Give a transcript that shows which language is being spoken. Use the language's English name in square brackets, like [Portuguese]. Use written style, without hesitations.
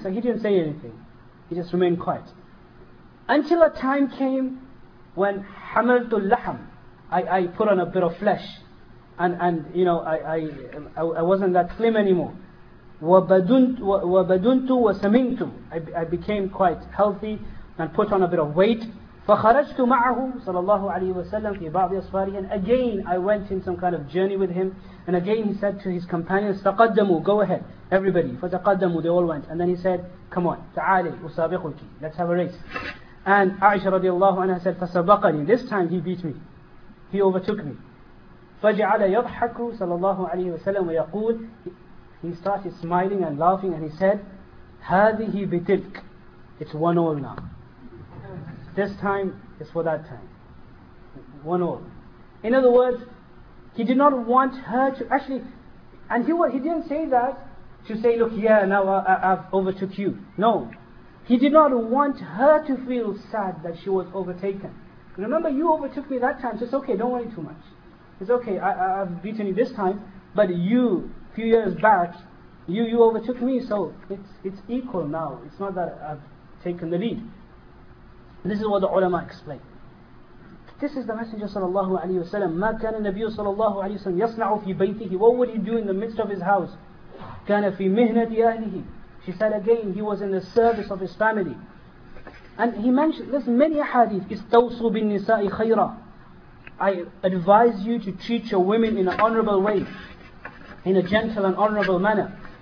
[English] So he didn't say anything. He just remained quiet. Until a time came when [Arabic] حَمَلْتُ اللَّحَمْ. [English] I put on a bit of flesh. And I wasn't that slim anymore. [Arabic] وَبَدُنْتُ وَسَمِنْتُ. [English] I became quite healthy and put on a bit of weight. [Arabic] فَخَرَجْتُ مَعَهُ صلى الله عليه وسلم في بعض أصفاره. [English] And again, I went in some kind of journey with him. And again, he said to his companions, [Arabic] تَقَدَّمُوا. [English] Go ahead, everybody. [Arabic] فَتَقَدَّمُوا. [English] They all went. And then he said, come on, [Arabic] تَعَالِي أُسَابِقُكِ. [English] Let's have a race. And Aisha رضي الله عنها said, [Arabic] فَسَبَقَنِي. [English] This time he beat me. He overtook me. [Arabic] فَجَعَلَ يَضْحَكُ صلى الله عليه وسلم ويقول. [English] He started smiling and laughing, and he said, [Arabic] هَذِهِ بِتِلْكِ. [English] It's one all now. This time is for that time. One all. In other words, he did not want her to actually, and he didn't say that to say, look, yeah, now I've overtook you. No. He did not want her to feel sad that she was overtaken. Remember, you overtook me that time, so it's okay, don't worry too much. It's okay, I've beaten you this time, but you, a few years back, you overtook me, so it's equal now. It's not that I've taken the lead. This is what the ulama explained. This is the Messenger sallallahu alayhi wasallam. [Arabic] ما كان النبي صلى الله عليه وسلم يصنع في بيته. [English] What would he do in the midst of his house? [Arabic] كان في مهنة أهله. [English] She said again, he was in the service of his family. And he mentioned, listen, many hadith. [Arabic] استوصوا بالنساء خيرا. [English] I advise you to treat your women in an honorable way, in a gentle and honorable manner.